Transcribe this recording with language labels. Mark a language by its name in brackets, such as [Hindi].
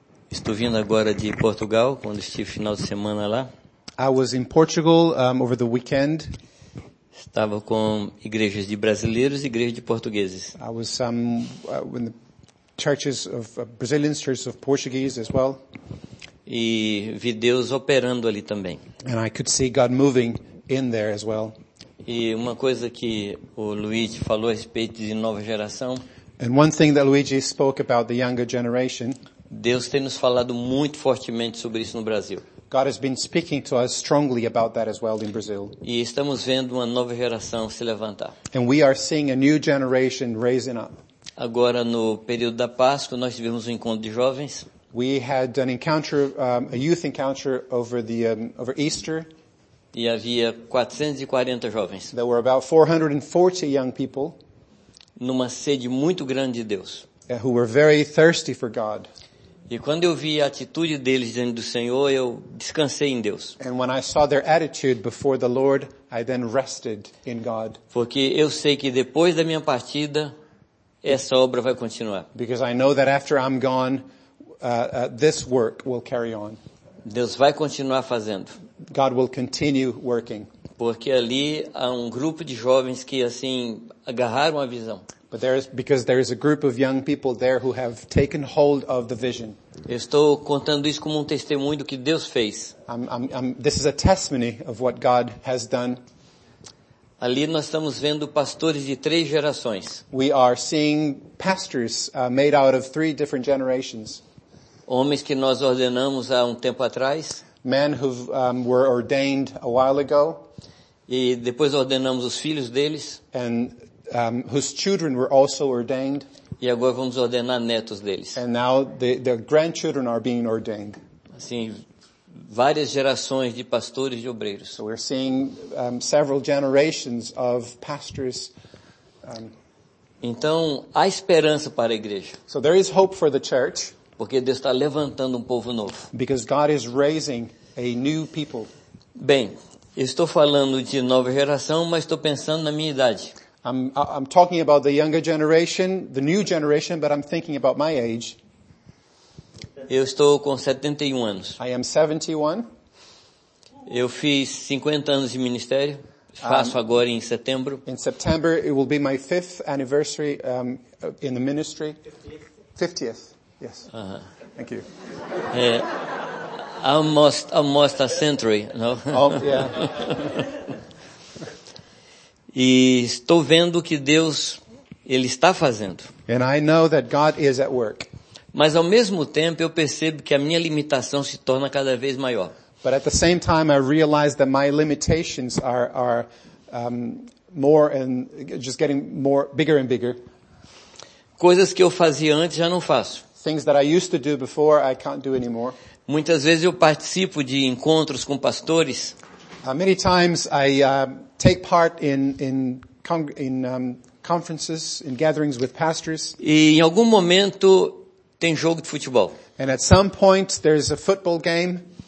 [Portuguese] Estou vindo agora de Portugal, quando estive final de semana lá. [English] I was in Portugal over the weekend. [Portuguese] Estava com igrejas de brasileiros e igrejas de portugueses. [English] I was in the churches of Brazilians, churches of Portuguese as well. [Portuguese] E vi Deus operando ali também. [English] And I could see God moving in there as well. [Portuguese] E uma coisa que o Luigi falou a respeito de nova geração. [English] And one thing that Luigi spoke about the younger generation. [Portuguese] Deus tem nos falado muito fortemente sobre isso no Brasil. [English] God has been speaking to us strongly about that as well in Brazil. [Portuguese] E estamos vendo uma nova geração se levantar. [English] And we are seeing a new generation raising up. [Portuguese] Agora no período da Páscoa nós tivemos um encontro de jovens. [English] We had an encounter, a youth encounter over the over Easter. [Portuguese] E havia 440 jovens. [English] There were about 440 young people. [Portuguese] Numa sede muito grande de Deus. [English] Who were very thirsty for God. [Portuguese] E quando eu vi a atitude deles diante do Senhor, eu descansei em Deus. [English] And when I saw their attitude before the Lord, I then rested in God. [Portuguese] Porque eu sei que depois da minha partida, essa obra vai continuar. [English] Because I know that after I'm gone, this work will carry on. [Portuguese] Deus vai continuar fazendo. [English] God will continue working. [Portuguese] Porque ali há um grupo de jovens que assim agarraram a visão. [English] But there is, because there is a group of young people there who have taken hold of the vision. [Portuguese] Eu estou contando isso como um testemunho do que Deus fez. [English] This is a testimony of what God has done. [Portuguese] Ali nós estamos vendo pastores de três gerações. [English] We are seeing pastors made out of three different generations. [Portuguese] Homens que nós ordenamos há um tempo atrás. [English] Men who were ordained a while ago. [Portuguese] E depois ordenamos os filhos deles. [English] And whose children were also ordained. [Portuguese] E agora vamos ordenar netos deles. [English] And now the grandchildren are being ordained. [Portuguese] Assim, várias gerações de pastores e obreiros. [English] So we're seeing several generations of pastors. [Portuguese] Então, há esperança para a igreja. [English] So there is hope for the church. [Portuguese] Porque Deus está levantando um povo novo. [English] Because God is raising a new people. [Portuguese] Bem, estou falando de nova geração, mas estou pensando na minha idade. [English] I'm talking about the younger generation, the new generation, but I'm thinking about my age. [Portuguese] Eu estou com 71 anos. [English] I am 71. [Portuguese] Eu fiz 50 anos de ministério. Faço agora em setembro. [English] In September, it will be my fifth anniversary in the ministry. 50th. Yes. Uh-huh. Thank you. almost a century, no? Oh, yeah. [Portuguese] E estou vendo o que Deus ele está fazendo. [English] And I know that God is at work. [Portuguese] Mas ao mesmo tempo eu percebo que a minha limitação se torna cada vez maior. [English] But at the same time I realize that my limitations are more and just getting more bigger and bigger. [Portuguese] Coisas que eu fazia antes já não faço. [English] Things that I used to do before I can't do anymore. [Portuguese] Muitas vezes eu participo de encontros com pastores. [English] Many times I take part in conferences, in gatherings with pastors. [Portuguese] E em algum momento tem jogo de futebol. [English] And at some point there's a football game.